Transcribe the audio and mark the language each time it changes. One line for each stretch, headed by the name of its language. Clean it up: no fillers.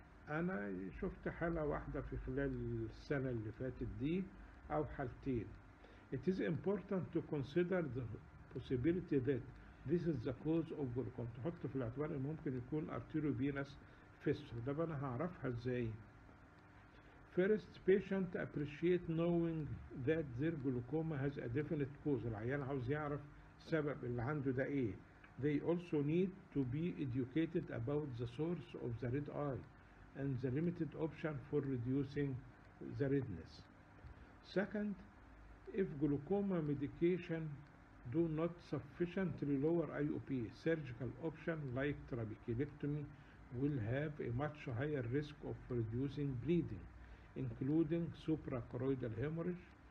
Arabic: انا شفت حالة واحدة في خلال السنة اللي فاتت دي او حالتين.
English: It is important to consider the possibility that this is the cause of glaucoma.
Arabic: تحط في الاعتبار ان ممكن يكون arteriovenous fistula. ده انا هعرفها ازاي؟
English: First, patient appreciate knowing that their glaucoma has a definite cause.
Arabic: العيان عاوز يعرف سبب اللي عنده ده ايه.
English: They also need to be educated about the source of the red eye and the limited option for reducing the redness. Second, if glaucoma medication do not sufficiently lower IOP, surgical option like trabeculectomy will have a much higher risk of reducing bleeding, including suprachoroidal hemorrhage.